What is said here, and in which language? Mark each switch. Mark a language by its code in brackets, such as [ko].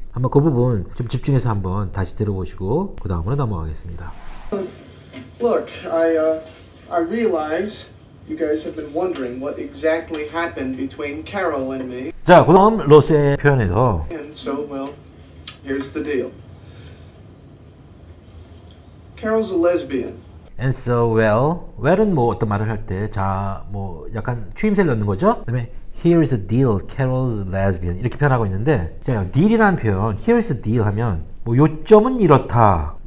[ko] 한번 그 부분 좀 집중해서 한번 다시 들어보시고 그 다음으로 넘어가겠습니다. [en] Look, I realize. You guys have been wondering what exactly happened between Carol and me. [ko] 자, 그럼 로스의 표현에서 [en] And so, well, here's the deal. Carol's a lesbian. And so, well, [ko] well은 뭐 어떤 말을 할 때 자, 뭐 약간 추임새를 넣는 거죠? 그 다음에 [en] Here is a deal. Carol's a lesbian. [ko] 이렇게 표현하고 있는데 자, deal이라는 표현, Here is a deal 하면 뭐 요점은 이렇다.